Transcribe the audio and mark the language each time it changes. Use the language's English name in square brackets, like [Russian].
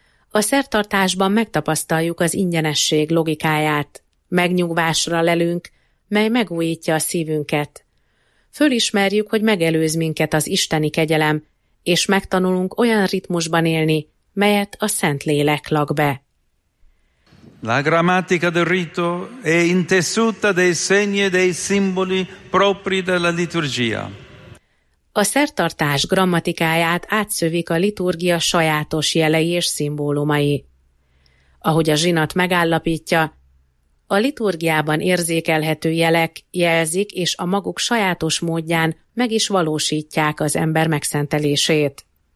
[Hungarian] A szertartásban megtapasztaljuk az ingyenesség logikáját, megnyugvásra lelünk, mely megújítja a szívünket. Fölismerjük, hogy megelőz minket az isteni kegyelem, és megtanulunk olyan ritmusban élni, melyet a Szentlélek lak be. [Italian] La grammatica del rito è intessuta dei segni e dei simboli propri della liturgia. [Hungarian] A szertartás grammatikáját átszövik a liturgia sajátos jelei és szimbólumai. Ahogy a zsinat megállapítja, a liturgiában érzékelhető jelek jelzik és a maguk sajátos módján meg is valósítják az ember megszentelését.